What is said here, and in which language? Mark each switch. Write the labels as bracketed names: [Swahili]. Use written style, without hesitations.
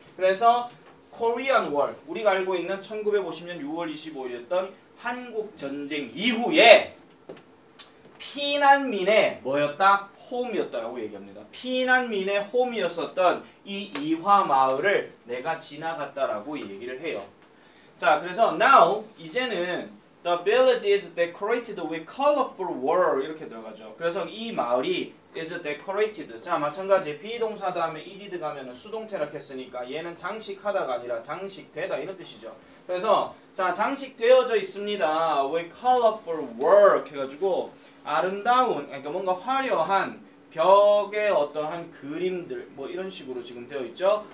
[Korean] 그래서 Korean War, 우리가 알고 있는 1950년 6월 25일이었던 한국 전쟁 이후에 피난민의 뭐였다? 홈이었다라고 얘기합니다. 피난민의 홈이었었던 이 이화마을을 내가 지나갔다라고 얘기를 해요. 자, 그래서 [English] now [Korean] 이제는 [English] The village is decorated with colorful wall [Korean] 이렇게 들어가죠. 그래서 이 마을이 [English] is decorated. [Korean] 자, 마찬가지 be 동사 다음에 it 가면은 수동태라고 했으니까 얘는 장식하다가 아니라 장식되다 이런 뜻이죠. 그래서 자, 장식되어져 있습니다. [English] with colorful wall [Korean] 해 가지고 아름다운 그러니까 뭔가 화려한 벽에 어떠한 그림들 뭐 이런 식으로 지금 되어 있죠.